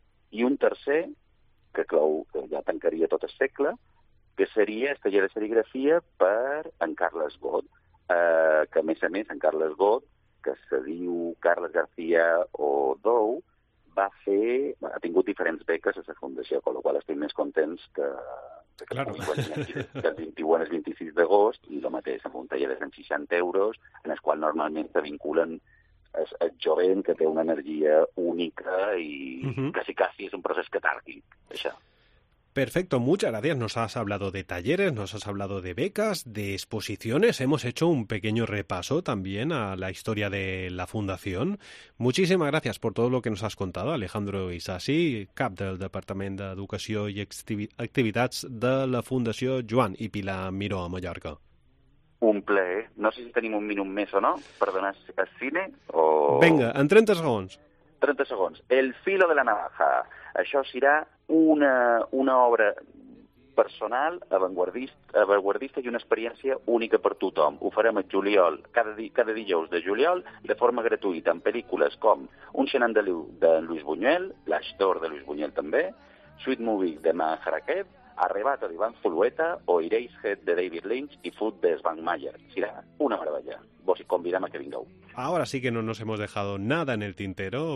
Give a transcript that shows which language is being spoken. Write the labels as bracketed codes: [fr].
[ca] I un tercer, que clou que ja tancaria tot el segle, que seria el taller de serigrafia per en Carles Gott, que a més en Carles Gott, que se diu Carles García Odou, ha tingut diferents beques a la Fundació, amb la qual estic més contents que el 21 al 26 d'agost, i el mateix, amb un taller de 160 euros, en el qual normalment se vinculen el jovent que té una energia única i quasi és un procés catàrquic, això. [es] Perfecto, muchas gracias. Nos has hablado de talleres, nos has hablado de becas, de exposiciones. Hemos hecho un pequeño repaso también a la historia de la Fundación. Muchísimas gracias por todo lo que nos has contado, Alejandro Isasi, [ca] cap del Departament d'Educació i Activitats de la Fundació Joan i Pilar Miró a Mallorca. Un plaer. No sé si tenim un minut més o no, per donar al cine o... Vinga, en 30 segons. 30 segons. El filo de la navaja. Això serà una obra personal, avantguardista i una experiència única per tothom. Ho farem el juliol, cada dijous de juliol, de forma gratuïta, amb pel·lícules com Un xenan de Luis Buñuel, L'aix d'or de Luis Buñuel també, Sweet Movie de Maharaquet, Arrebato d'Ivan Fulueta o Eraserhead de David Lynch i Food de Svank Meyer. Serà una meravella. Vos y convidame a que vingueu. [es] Ahora sí que no nos hemos dejado nada en el tintero.